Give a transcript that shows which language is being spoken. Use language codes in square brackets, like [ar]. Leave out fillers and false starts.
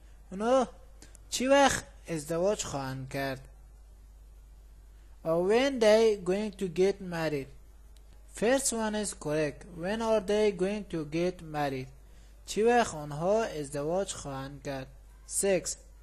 [fa] اونا چی وقت ازدواج خواهند کرد؟ [en] When they going to get married? First one is correct. When are they going to get married? [fa] چی وقت آنها ازدواج خواهند کرد؟ 6.